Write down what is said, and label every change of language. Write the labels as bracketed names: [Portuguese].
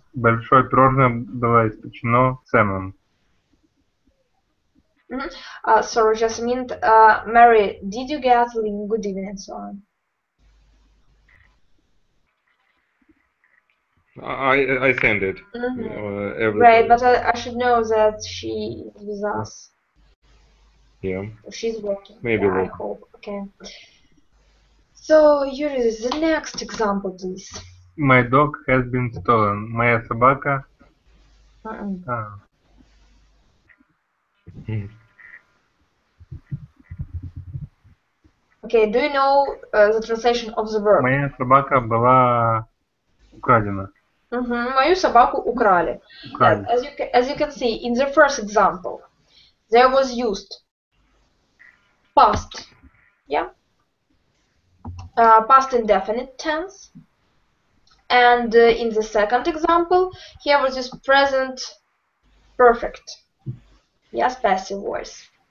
[Russian] Большое пирожное было испечено Сэмом. [English] Sorry, just a minute. Mary, did you get Ling good evening and so on? I send it. Mm-hmm. Right, but I should know that she is with us. Yeah. She's working. Maybe yeah, working. I hope. Okay. So, Yuri, the next example, please. My dog has been stolen. [Russian] Моя собака... [English] Okay, do you know the translation of the verb? [Russian] Моя собака была украдена. Mm-hmm. Мою собаку украли. [English] As you can see, in the first example, there was used past, past indefinite tense. And in the second example, here was used present perfect, yes, passive voice.